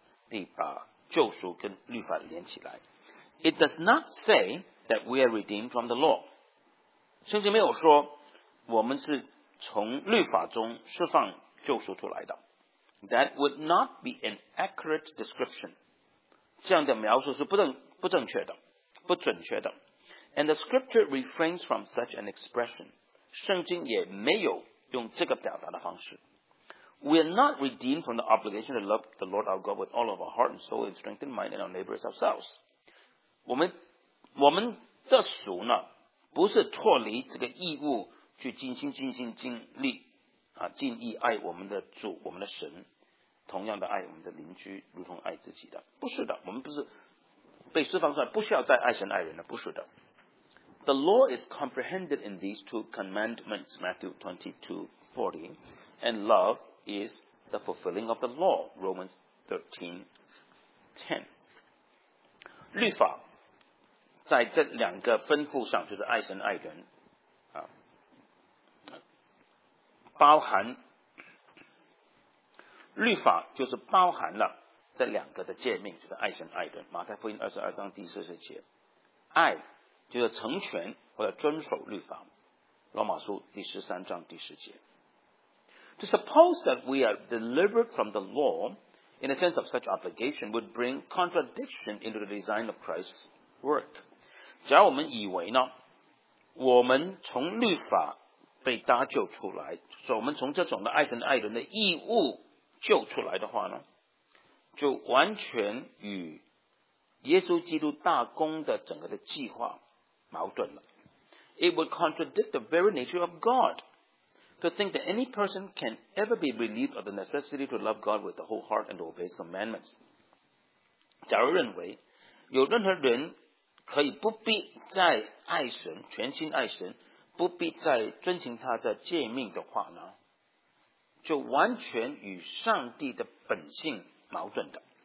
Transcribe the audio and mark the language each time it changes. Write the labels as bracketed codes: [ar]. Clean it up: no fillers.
[zh] 我们必须注意根据怎么样的条件上帝把救赎跟律法连起来。 [en] It does not say that we are redeemed from the law. [zh] 甚至没有说我们是从律法中释放救赎出来的。 [en] That would not be an accurate description. [zh] 这样的描述是不正确的。 [en] And the scripture refrains from such an expression. [zh] 圣经也没有用这个表达的方式。 [en] We are not redeemed from the obligation to love the Lord our God with all of our heart and soul and strength and mind and our neighbors ourselves. [zh] 我们的属呢, 不是脱离这个义务去尽心尽力, 啊，尽意爱我们的主，我们的神，同样的爱我们的邻居，如同爱自己的。不是的，我们不是被释放出来，不需要再爱神爱人了。不是的。 [en] The law is comprehended in these two commandments, Matthew 22:40, and love is the fulfilling of the law, Romans 13:10. [zh] 律法在这两个吩咐上，就是爱神爱人，啊，包含律法就是包含了这两个的诫命，就是爱神爱人。马太福音22:40，爱就是成全或者遵守律法。罗马书13:10。 [en] To suppose that we are delivered from the law in a sense of such obligation would bring contradiction into the design of Christ's work. [zh] 假如我们以为呢，我们从律法被搭救出来，所以我们从这种的爱神爱人的义务救出来的话呢，就完全与耶稣基督大功的整个的计划矛盾了。 [en] It would contradict the very nature of God to think that any person can ever be relieved of the necessity to love God with the whole heart and obey His commandments. [zh] 假如认为有任何人可以不必再爱神，全心爱神，不必再遵行他的诫命的话呢，就完全与上帝的本性矛盾的。